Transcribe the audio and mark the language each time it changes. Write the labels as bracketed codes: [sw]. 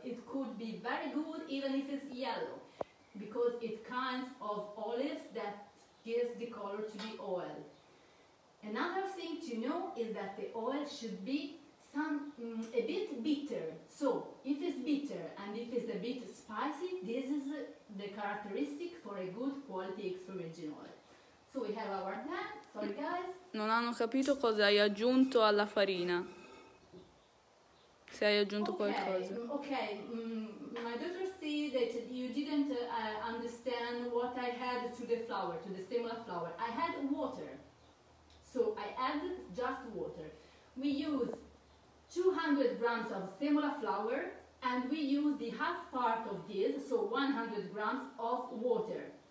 [en] It could be very good even if it's yellow, because it's kinds of olives that gives the color to the oil. Another thing to know is that the oil should be a bit bitter. So if it's bitter and if it's a bit spicy, this is the characteristic for a good quality extra virgin oil. So we have our pan. Sorry guys. [it] Non hanno capito cosa hai aggiunto alla farina. Se hai aggiunto qualcosa. [en] Okay. My daughter see that you didn't understand what I had to the flour, to the semolina flour. I had water. So I added just water. We use 200 grams of semola flour, and we use the half part of this, so 100 grams of water.